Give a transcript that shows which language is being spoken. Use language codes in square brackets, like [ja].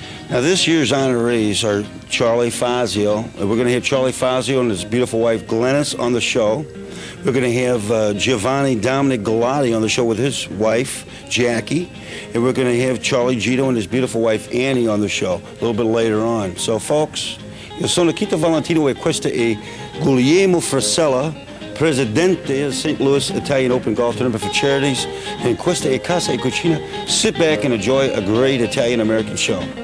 [en] Now, this year's honorees are Charlie Fazio. We're going to have Charlie Fazio and his beautiful wife, Glennis, on the show. We're going to have Giovanni Dominic Galati on the show with his wife, Jackie. And we're going to have Charlie Gito and his beautiful wife, Annie, on the show a little bit later on. So, folks, [it] io sono Kito Valentino e questo è Guglielmo Frisella, Presidente of St. [en] Louis Italian Open Golf Tournament for Charities, and [it] questa è [en] Casa e Cucina. Sit back and enjoy a great Italian-American show.